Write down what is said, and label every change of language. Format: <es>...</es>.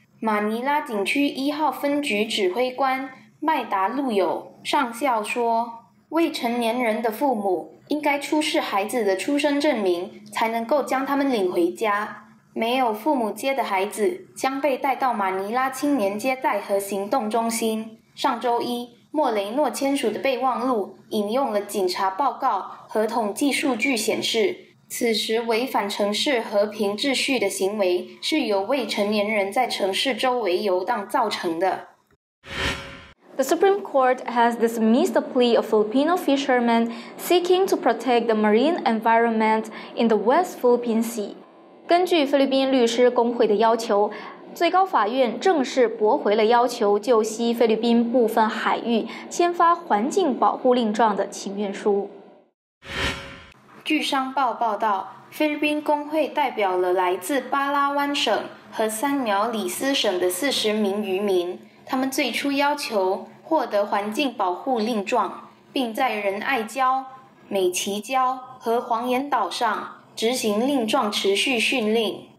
<zh>马尼拉警区1号分局指挥官麦达路友上校说，未成年人的父母应该出示孩子的出生证明才能够将他们领回家，没有父母接的孩子将被带到马尼拉青年接待和行动中心。上周一，莫雷诺签署的备忘录引用了警察报告和统计数据显示，此时违反城市和平秩序的行为是由未成年人在城市周围游荡造成的。</zh> <en>The Supreme Court has dismissed the plea of Filipino fishermen seeking to protect the marine environment in the West Philippine Sea.</en> <zh>根据菲律宾律师工会的要求，最高法院正式驳回了要求就西菲律宾部分海域签发环境保护令状的请愿书。据商报报道，菲律宾工会代表了来自巴拉湾省和三苗里斯省的40名渔民，他们最初要求获得环境保护令状，并在仁爱礁、美琪礁和黄岩岛上执行令状持续训令。</zh>